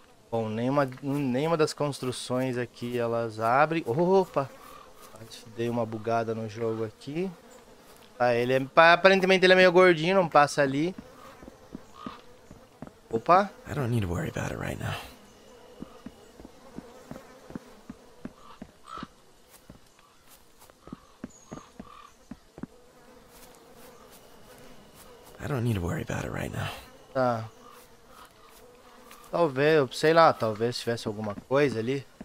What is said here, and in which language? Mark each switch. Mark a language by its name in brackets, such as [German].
[Portuguese] Bom, nenhuma das construções aqui elas abrem. Opa! Dei uma bugada no jogo aqui. Ah, ele é, aparentemente ele é meio gordinho, não passa ali. Opa. [English] I don't need to worry about it right now. I don't need to worry about it right now. [Portuguese] Tá. Talvez, sei lá, talvez tivesse alguma coisa ali.